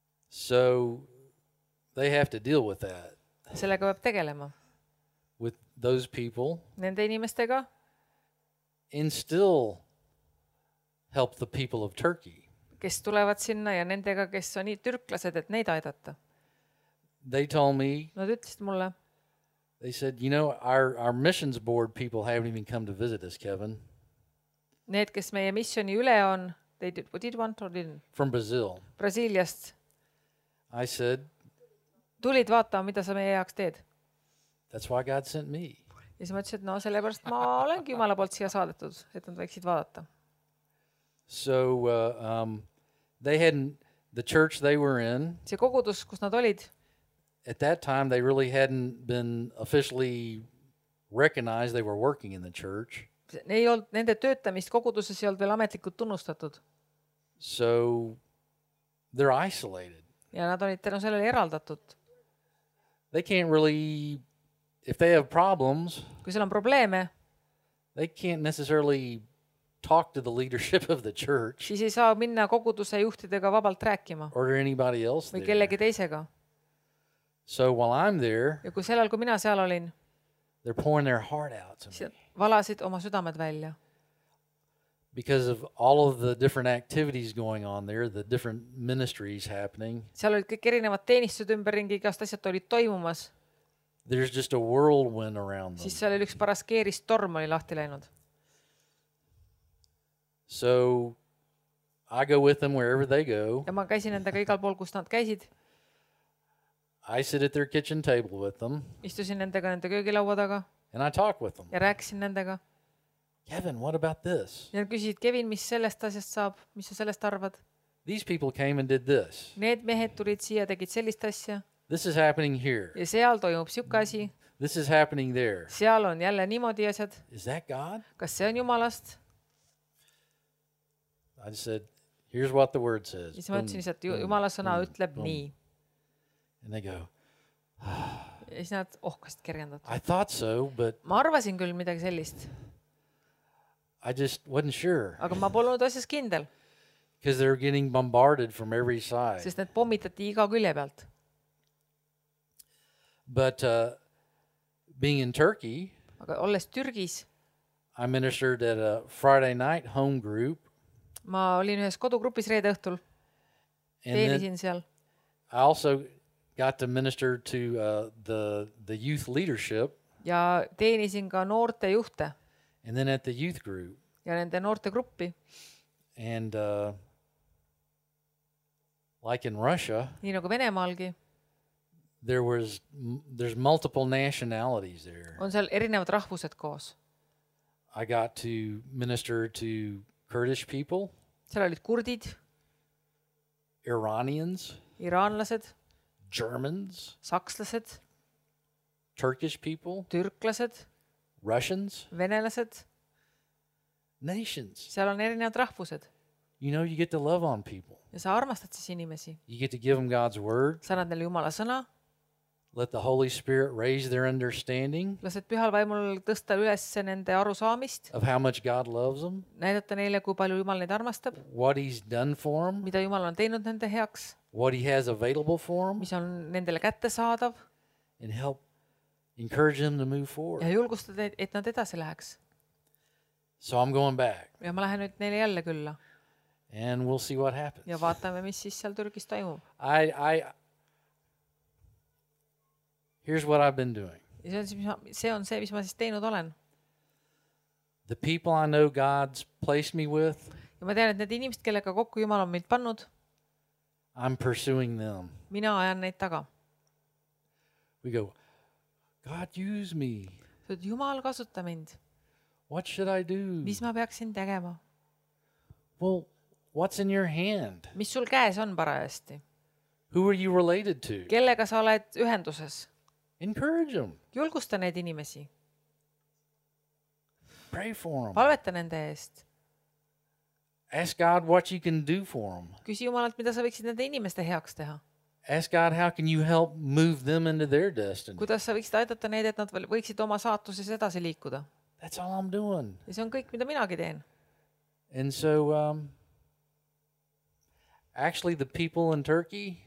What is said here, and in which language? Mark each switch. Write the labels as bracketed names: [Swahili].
[English] So they have to deal with that. [Estonian] Sellega peab tegelema. [English] With those people. [Estonian] Nende inimestega. [English] And still help the people of Turkey. [Estonian] Kes tulevad sinna ja nendega, kes on türklased, et neid aidata. [English] They told me. [Estonian] Nad ütlesid mulle. [English] They said, you know, our missions board people haven't even come to visit us, Kevin. [Estonian] Need, kes meie missioni üle on, [English] they did want or didn't. From Brazil. [Estonian] Brasiiliast. [English] I said. [Estonian] Tulid vaata, mida sa meie jaoks teed. [English] That's why God sent me. [Estonian] Ja siis ma ütlesin, et no sellepärast ma olen Jumala poolt siia saadetud, et nad võiksid vaadata. [English] So they hadn't the church they were in. [Estonian] See kogudus, kus nad olid. [English] At that time they really hadn't been officially recognized they were working in the church. [Estonian] Ei olnud, nende töötamist koguduses ei olnud veel ametlikult tunnustatud. [English] So they're isolated. [Estonian] Ja nad olid tänu sellele eraldatud. [English] They can't really if they have problems. [Estonian] Kui seal on probleeme. [English] They can't necessarily talk to the leadership of the church. [Estonian] Siis ei saa minna koguduse juhtidega vabalt rääkima. [English] Or anybody else. [Estonian] Või kellegi teisega. [English] So while I'm there. [Estonian] Ja kui sellel, kui mina seal olin. [English] They're pouring their heart out to me. [Estonian] Valasid oma südamed välja. [English] Because of all of the different activities going on there, the different ministries happening. [Estonian] Seal olid kõik erinevad teenistused ümberringi, igast asjad olid toimumas. [English] There's just a whirlwind around them. [Estonian] Siis seal oli üks paras keeris torm oli lahti läinud. [English] So I go with them wherever they go. [Estonian] Ja ma käisin nendega igal pool, kus nad käisid. [English] I sit at their kitchen table with them. [Estonian] Istusin nendega nende köögilaua taga. [English] And I talk with them. [Estonian] Ja rääkisin nendega. [English] Kevin, what about this? [Estonian] Ja küsisid, Kevin, mis sellest asjast saab? Mis sa sellest arvad? [English] These people came and did this. [Estonian] Need mehed tulid siia, tegid sellist asja. [English] This is happening here. [Estonian] Ja seal toimub siuke asi. [English] This is happening there. [Estonian] Seal on jälle niimoodi asjad. [English] Is that God? [Estonian] Kas see on Jumalast? [English] I just said, here's what the word says. [Estonian] Siis ma ütlesin, et Jumala sõna ütleb nii. [English] And they go, [Estonian] ja siis nad ohkast kerjendatud. [English] I thought so, but [Estonian] ma arvasin küll midagi sellist. [English] I just wasn't sure. [Estonian] Aga ma polnud asjas kindel. [English] Because they're getting bombarded from every side. [Estonian] Sest nad pommitati iga külje pealt. [English] But being in Turkey, [Estonian] aga olles Türgis, [English] I ministered at a Friday night home group. [Estonian] Ma olin ühes kodugrupis reede õhtul. Teenisin seal. [English] I also got to minister to the youth leadership. [Estonian] Ja teenisin ka noorte juhte. [English] And then at the youth group. [Estonian] Ja nende noorte gruppi. [English] And like in Russia. [Estonian] Nii nagu Venemaalgi. [English] There's multiple nationalities there. [Estonian] On seal erinevad rahvused koos. [English] I got to minister to Kurdish people. [Estonian] Seal olid kurdid. [English] Iranians. [Estonian] Iraanlased. [English] Germans. [Estonian] Sakslased. [English] Turkish people. [Estonian] Türklased. [English] Russians. [Estonian] Venelased. [English] Nations. [Estonian] Seal on erinevad rahvused. [English] You know, you get to love on people. [Estonian] Ja sa armastad siis inimesi. [English] You get to give them God's word. [Estonian] Sa annad neile Jumala sõna. [English] Let the Holy Spirit raise their understanding. [Estonian] Lased pühal vaimul tõsta üles nende arusaamist. [English] Of how much God loves them. [Estonian] Näidata neile, kui palju Jumal neid armastab. [English] What he's done for them. [Estonian] Mida Jumal on teinud nende heaks. [English] What he has available for them. [Estonian] Mis on nendele kätte saadav. [English] And help encourage them to move forward. [Estonian] Ja julgustada, et nad edasi läheks. [English] So I'm going back. [Estonian] Ja ma lähen nüüd neile jälle külla. [English] And we'll see what happens. [Estonian] Ja vaatame, mis siis seal Türgis toimub. [English] Here's what I've been doing. [Estonian] See on see, mis ma siis teinud olen. [English] The people I know God's placed me with. [Estonian] Ja ma tean, et need inimesed, kellega kokku Jumal on meid pannud. [English] I'm pursuing them. [Estonian] Mina ajan neid taga. [English] We go, God use me. [Estonian] Sõid Jumal kasuta mind. [English] What should I do? [Estonian] Mis ma peaksin tegema? [English] Well, what's in your hand? [Estonian] Mis sul käes on parajasti? [English] Who are you related to? [Estonian] Kellega sa oled ühenduses? [English] Encourage them. [Estonian] Julgusta neid inimesi. [English] Pray for them. [Estonian] Palveta nende eest. [English] Ask God what you can do for them. [Estonian] Küsi Jumalalt, mida sa võiksid nende inimeste heaks teha. [English] Ask God how can you help move them into their destiny. [Estonian] Kuidas sa võiksid aidata neid, et nad võiksid oma saatuses edasi liikuda. [English] That's all I'm doing. [Estonian] Ja see on kõik, mida minagi teen. [English] And so actually the people in Turkey.